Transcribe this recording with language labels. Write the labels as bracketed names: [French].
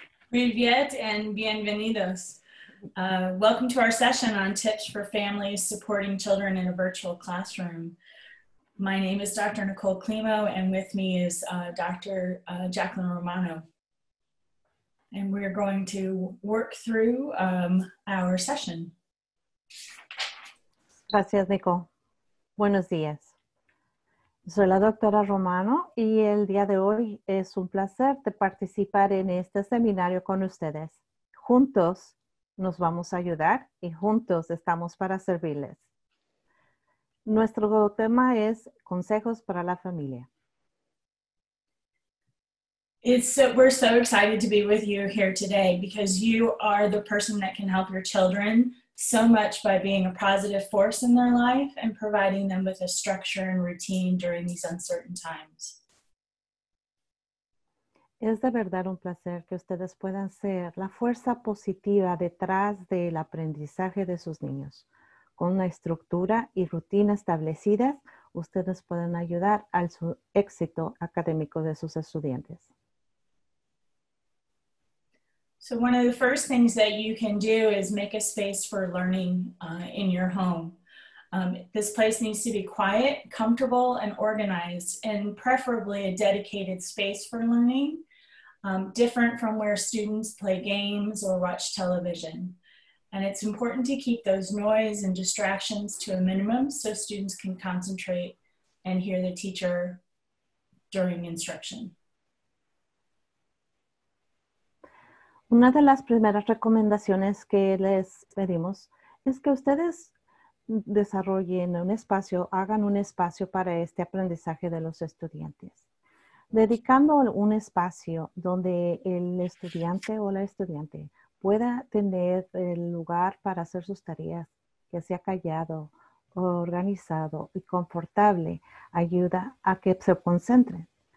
[Spanish] Muy bien [English] and [Spanish] bienvenidos. [English] Welcome to our session on tips for families supporting children in a virtual classroom. My name is Dr. Nicole Clemau, and with me is Dr. Jacqueline Romano. And we're going to work through our session. [Spanish] Gracias, Nicole. Buenos días. Soy la doctora Romano y el día de hoy es un placer de participar en este seminario con ustedes. Juntos nos vamos a ayudar y juntos estamos para servirles. Nuestro tema es consejos para la familia. [English] We're so excited to be with you here today because you are the person that can help your children so much by being a positive force in their life and providing them with a structure and routine during these uncertain times. [Spanish] Es de verdad un placer que ustedes puedan ser la fuerza positiva detrás del aprendizaje de sus niños. Con una estructura y rutina establecidas, ustedes pueden ayudar al su éxito académico de sus estudiantes. [English] So one of the first things that you can do is make a space for learning in your home. This place needs to be quiet, comfortable, and organized, and preferably a dedicated space for learning, different from where students play games or watch television. And it's important to keep those noise and distractions to a minimum so students can concentrate and hear the teacher during instruction. [Spanish] Una de las primeras recomendaciones que les pedimos es que ustedes desarrollen un espacio, hagan un espacio para este aprendizaje de los estudiantes. Dedicando un espacio donde el estudiante o la estudiante pueda tener el lugar para hacer sus tareas, que sea callado, organizado y confortable, ayuda a que se concentren.